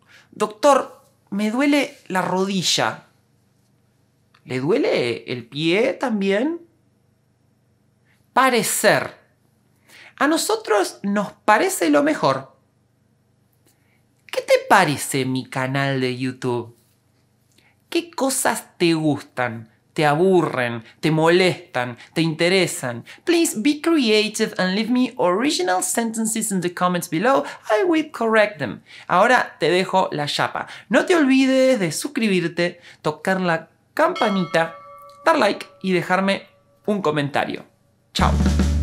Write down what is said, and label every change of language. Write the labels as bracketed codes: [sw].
[es] Doctor, me duele la rodilla. ¿Le duele el pie también? Parecer. A nosotros nos parece lo mejor. ¿Qué te parece mi canal de YouTube? ¿Qué cosas te gustan, te aburren, te molestan, te interesan? [en] Please be creative and leave me original sentences in the comments below. I will correct them. [es] Ahora te dejo la chapa. No te olvides de suscribirte, tocar la campanita, dar like y dejarme un comentario. Chao.